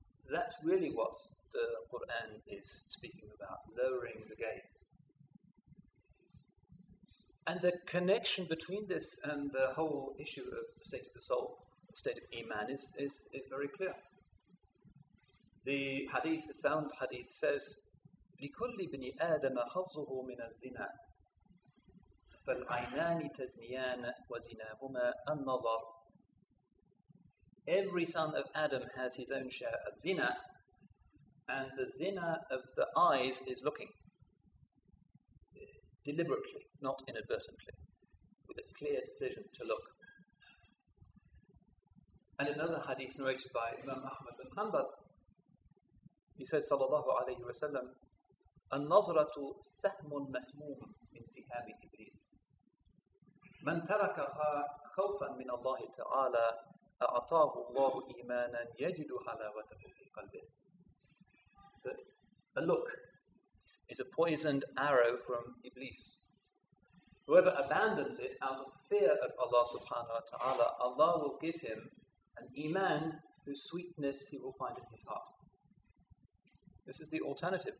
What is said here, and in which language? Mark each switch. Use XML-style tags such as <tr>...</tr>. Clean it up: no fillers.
<en>That's really what the Quran is speaking about, lowering the gaze. And the connection between this and the whole issue of the state of the soul, the state of Iman, is very clear. The hadith, the sound hadith, says,</en> <ar>لِكُلِّ بِنِ آدَمَ خَصُّهُ مِنَ الزِّنَا فَالْعَيْنَانِ تَزْنِيَانَ وَزِنَاهُمَا النَّظَرُ.</ar> <en>Every son of Adam has his own share of zina, and the zina of the eyes is looking, deliberately, not inadvertently, with a clear decision to look. And another hadith narrated by Imam Ahmad bin Hanbal, he says, sallallahu alayhi wa sallam,</en> <ar>النَّظْرَةُ سَهْمٌ مَسْمُومٌ مِنْ سِهَابِ إِبْلِيسِ مَنْ تَرَكَهَا خَوْفًا مِنَ اللَّهِ تَعَالَى أَعْطَاهُ اللَّهُ إِيمَانًا يَجِدُ حَلَاوَتَهُ فِي قَلْبِهِ.</ar> <en>That a look is a poisoned arrow from Iblis. Whoever abandons it out of fear of Allah subhanahu wa ta'ala, Allah will give him an iman whose sweetness he will find in his heart. This is the alternative.</en>